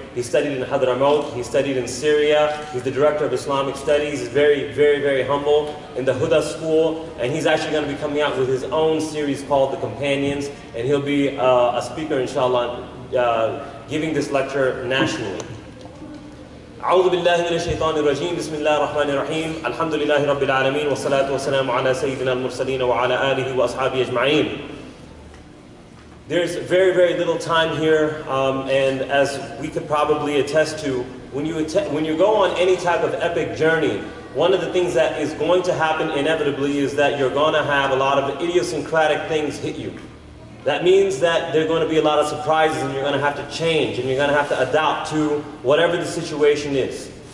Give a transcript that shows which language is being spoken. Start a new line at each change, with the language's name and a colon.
English: He studied in Hadramaut, he studied in Syria. He's the director of Islamic Studies, he's very, very, very humble in the Huda School, and he's actually gonna be coming out with his own series called The Companions, and he'll be a speaker, inshallah, giving this lecture nationally.
Arabic: أعوذ بالله من الشيطان الرجيم بسم الله الرحمن الرحيم الحمد لله رب العالمين والصلاة والسلام على سيدنا المرسلين وعلى آله وأصحابه أجمعين.
English: There's very, very little time here, and as we could probably attest to, when you go on any type of epic journey, one of the things that is going to happen inevitably is that you're going to have a lot of idiosyncratic things hit you. That means that there are going to be a lot of surprises and you're going to have to change and you're going to have to adapt to whatever the situation is.